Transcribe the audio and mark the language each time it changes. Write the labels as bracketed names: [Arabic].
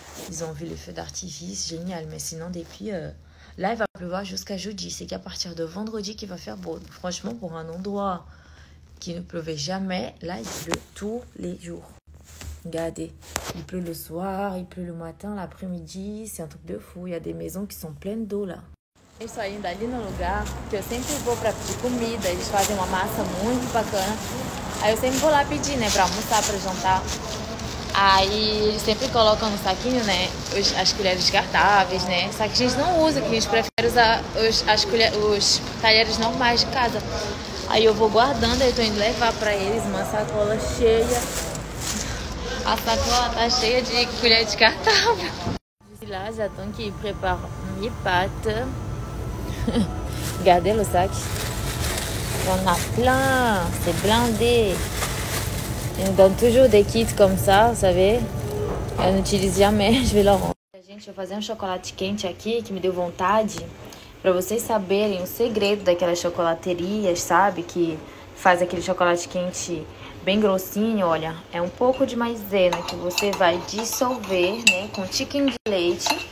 [French] Ils ont vu les feux d'artifice, génial. Mais sinon, depuis. Là, il va pleuvoir jusqu'à jeudi. C'est qu'à partir de vendredi qu'il va faire beau. Franchement, pour un endroit qui ne pleuvait jamais, là, il pleut tous les jours. Regardez, il pleut le soir, il pleut le matin, l'après-midi, c'est un truc de fou. Il y a des maisons qui sont pleines d'eau là. [Portuguese] Eu estou indo ali no lugar que eu sempre vou para pedir comida. Eles fazem uma massa muito bacana. Aí eu sempre vou lá pedir, né, para almoçar, para jantar. Aí eles sempre colocam no saquinho, né, as colheres descartáveis, né. Só que a gente não usa, que a gente prefere usar os talheres normais de casa. Aí eu vou guardando, aí eu estou indo levar para eles uma sacola cheia. A sacola tá cheia de colher descartável. E lá já estão aqui preparando minha pata. [French] Regardez le sac. On a plein. C'est blindé. Ils nous donnent toujours des kits comme ça, vous savez. [Portuguese] Eu não utilizo jamais, [French] je vais leur rendre. [Portuguese] Gente, eu vou fazer um chocolate quente aqui que me deu vontade. Pra vocês saberem o segredo daquelas chocolaterias, sabe? Que faz aquele chocolate quente bem grossinho, olha. É um pouco de maisena que você vai dissolver, né? Com tiquinho de leite.